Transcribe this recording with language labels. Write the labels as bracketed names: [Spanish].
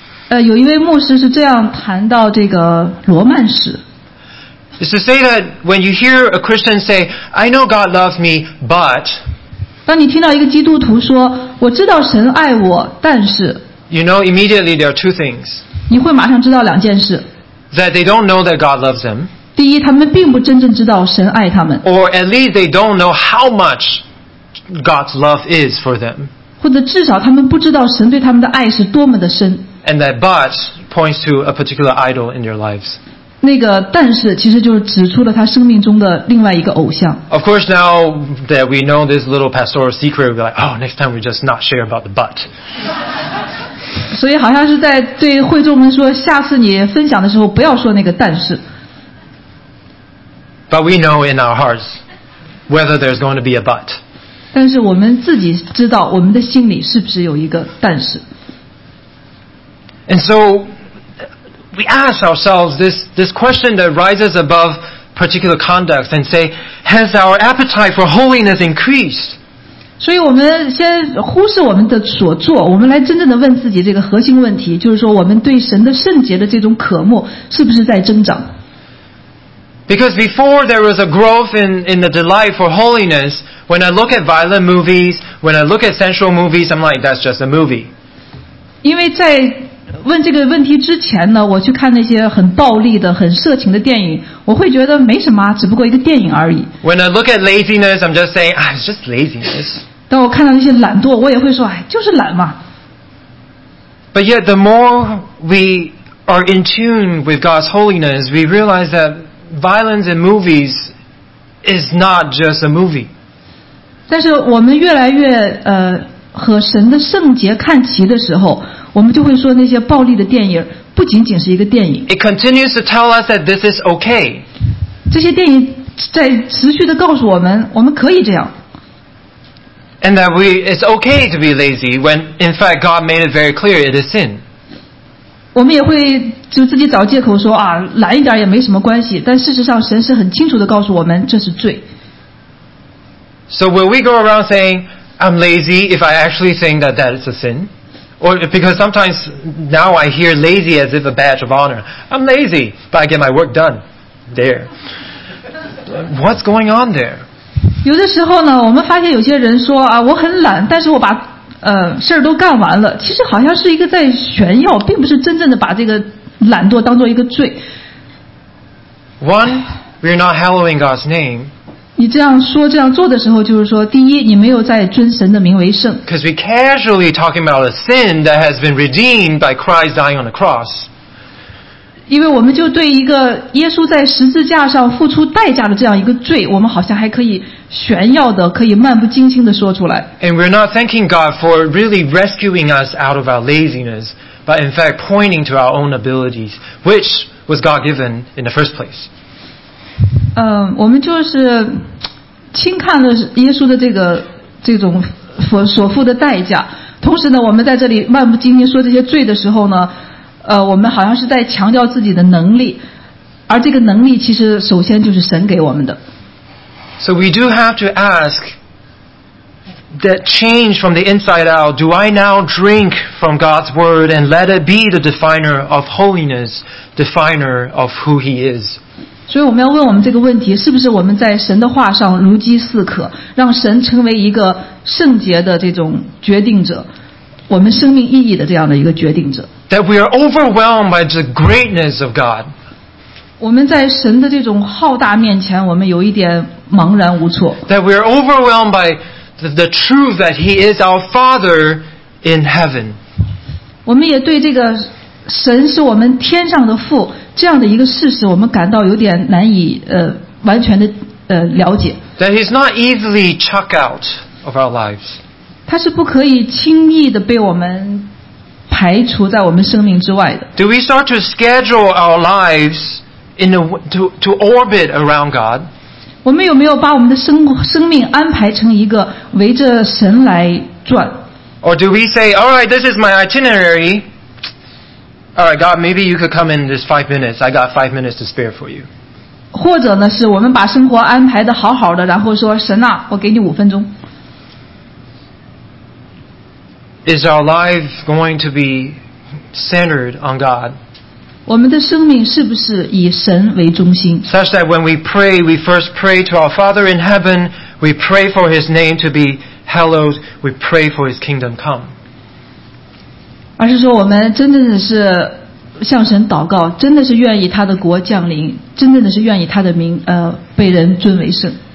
[Chinese] 有一位牧师是这样谈到这个罗曼史 [English] It's to say that when you hear a Christian say I know God loves me, but [Chinese] 当你听到一个基督徒说我知道神爱我但是 [English] You know immediately there are two things [Chinese] 你会马上知道两件事 [English] that they don't know that God loves them [Chinese] 第一他们并不真正知道神爱他们 [English] or at least they don't know how much God's love is for them [Chinese] 或者至少他们不知道神对他们的爱是多么的深 [English] and that but points to a particular idol in their lives [Chinese] 那个但是其实就是指出了他生命中的另外一个偶像。 [English] Of course, now that we know this little pastoral secret, we're like, oh, next time we just not share about the butt. [Chinese] 所以好像是在对会众们说，下次你分享的时候不要说那个但是。 [English] But we know in our hearts whether there's going to be a but. [Chinese] 但是我们自己知道我们的心里是不是有一个但是。 [English] And so we ask ourselves this question that rises above particular conduct and say, has our appetite for holiness increased? [Chinese] 所以我们先忽视我们的所做，我们来真正的问自己这个核心问题，就是说我们对神的圣洁的这种渴慕是不是在增长。 [English] Because before there was a growth in the delight for holiness, when I look at violent movies, when I look at sensual movies, I'm like, that's just a movie. [Chinese] 因为在问这个问题之前呢，我去看那些很暴力的、很色情的电影，我会觉得没什么，只不过一个电影而已。 [English] When I look at laziness, I'm just saying, ah, it's just laziness. [Chinese] 当我看到那些懒惰，我也会说，哎，就是懒嘛。 [English] But yet, the more we are in tune with God's holiness, we realize that. Violence in movies is not just a movie. [Chinese] 但是我们越来越和神的圣洁看齐的时候，我们就会说那些暴力的电影不仅仅是一个电影。 [English] It continues to tell us that this is okay. [Chinese] 这些电影在持续的告诉我们，我们可以这样。 [English] And that it's okay to be lazy when, in fact, God made it very clear it is sin. [Chinese] 我们也会就自己找借口说啊，懒一点也没什么关系，但事实上神是很清楚地告诉我们这是罪。 [English] So will we go around saying I'm lazy if I actually think that that is a sin? Or because sometimes now I hear lazy as if a badge of honor. I'm lazy but I get my work done there. What's going on there? [Chinese] 有的时候呢，我们发现有些人说啊，我很懒，但是我把事儿都干完了，其实好像是一个在炫耀，并不是真正的把这个懒惰当做一个罪。 [English] One, we're not hallowing God's name. [Chinese] 你这样说、这样做的时候，就是说，第一，你没有在尊神的名为圣。 [English] Because we're casually talking about a sin that has been redeemed by Christ dying on the cross. [Chinese] 因为我们就对一个耶稣在十字架上付出代价的这样一个罪，我们好像还可以。炫耀的可以漫不经心地说出来。 [English] And we're not thanking God for really rescuing us out of our laziness, but in fact pointing to our own abilities, which was God given in the first place. [Chinese] 我们就是轻看了耶稣的这种所付的代价。同时呢，我们在这里漫不经心说这些罪的时候呢，我们好像是在强调自己的能力，而这个能力其实首先就是神给我们的。 [English] So we do have to ask that change from the inside out. Do I now drink from God's word and let it be the definer of holiness, definer of who He is? [Chinese] 所以我们要问我们这个问题，是不是我们在神的话上如饥似渴，让神成为一个圣洁的这种决定者，我们生命意义的这样的一个决定者。 [English] That we are overwhelmed by the greatness of God. [Chinese] 我们在神的这种浩大面前，我们有一点茫然无措。 [English] That we are overwhelmed by the truth that He is our Father in heaven. [Chinese] 我们也对这个神是我们天上的父这样的一个事实，我们感到有点难以完全的了解。 [English] That He is not easily chucked out of our lives. [Chinese] 他是不可以轻易的被我们排除在我们生命之外的。 [English] Do we start to schedule our lives? In a, to orbit around God. [Chinese] 我们有没有把我们的生命安排成一个围着神来转？ [English] Or do we say, all right, this is my itinerary. All right, God, maybe you could come in this 5 minutes. I got 5 minutes to spare for you. [Chinese] 或者呢，是我们把生活安排得好好的，然后说神啊，我给你五分钟。 [English] Is our life going to be centered on God? [Chinese] 我们的生命是不是以神为中心 [English] ？Such that when we pray, we first pray to our Father in heaven. We pray for His name to be hallowed. We pray for His kingdom come. [Chinese] 而是说，我们真正的是向神祷告，真的是愿意他的国降临，真正的是愿意他的名被人尊为圣。